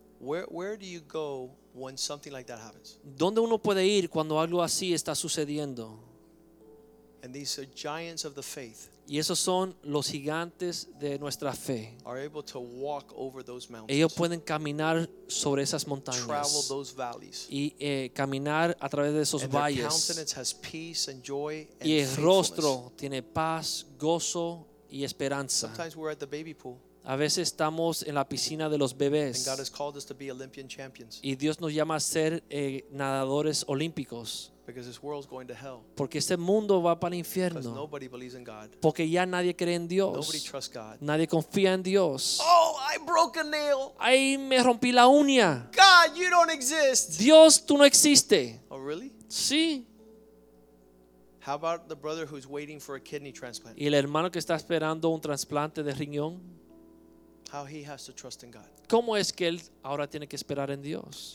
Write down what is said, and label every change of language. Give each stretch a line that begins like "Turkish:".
English: Where do you go when something like that happens?
Spanish: ¿Dónde uno puede ir cuando algo así está sucediendo?
English: And these are giants of the faith.
Spanish: Y esos son los gigantes de nuestra fe.
English: Are able to walk over those mountains.
Spanish: Ellos pueden caminar sobre esas montañas.
English: Travel those valleys.
Spanish: Y caminar a través de esos valles.
English: And their countenance has peace and joy and
Spanish: faithfulness. Y el rostro tiene paz, gozo y esperanza.
English: Sometimes we're at the baby pool.
Spanish: A veces estamos en la piscina de los bebés.
English: And God has called us to be Olympian champions.
Spanish: Y Dios nos llama a ser nadadores olímpicos.
English: Because this world's going to hell.
Spanish: Porque este mundo va para el infierno.
English: Because nobody believes in God.
Spanish: Porque ya nadie cree en Dios.
English: Nobody trusts God.
Spanish: Nadie confía en Dios.
English: Oh, I broke a nail.
Spanish: Ay, me rompí la uña.
English: God, you don't exist.
Spanish: Dios, tú no existes.
English: Oh, really?
Spanish: Sí.
English: How about the brother who's waiting for a kidney transplant?
Spanish: ¿Y el hermano que está esperando un trasplante de riñón?
English: How he has to trust in God.
Spanish: ¿Cómo es que él ahora tiene que esperar en Dios?